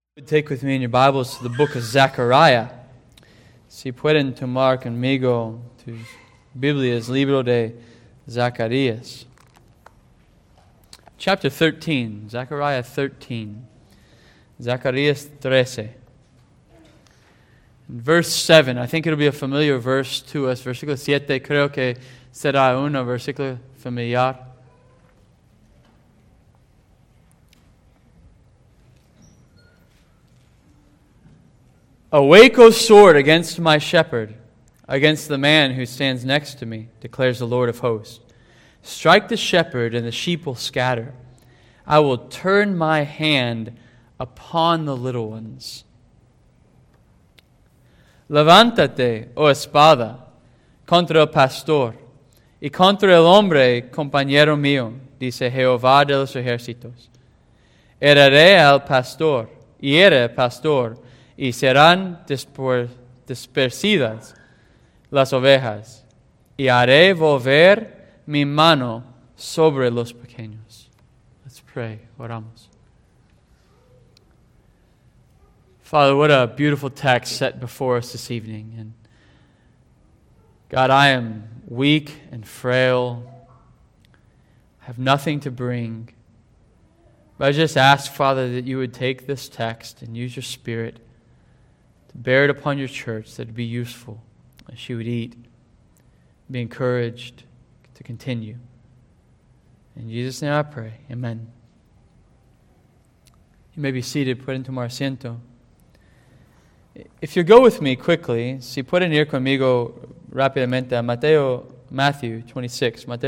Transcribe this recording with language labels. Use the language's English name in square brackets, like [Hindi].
[English] Take with me in your Bibles to the book of Zechariah. [Spanish] Si pueden tomar conmigo tus Biblias, libro de Zacarías. [English] Chapter 13, Zechariah 13, Zacarías 13. In verse 7, I think it'll be a familiar verse to us. [Spanish] Versículo 7, creo que será un versículo familiar. [English] Awake, O sword, against my shepherd, against the man who stands next to me, declares the Lord of hosts. Strike the shepherd, and the sheep will scatter. I will turn my hand upon the little ones. [Spanish] Levántate, O espada, contra el pastor, y contra el hombre, compañero mío, dice Jehová de los ejércitos. Heraré al pastor, y era pastor, y serán dispersidas las ovejas, y haré volver mi mano sobre los pequeños. [English] Let's pray. [Spanish] Oramos. [English] Father, what a beautiful text set before us this evening. And God, I am weak and frail. I have nothing to bring. But I just ask, Father, that you would take this text and use your Spirit. Bear it upon your church that it'd be useful, that she would eat, be encouraged to continue. In Jesus' name I pray. Amen. You may be seated, put into my asiento. If you go with me quickly, [Spanish] si pueden ir conmigo rápidamente a Mateo 26.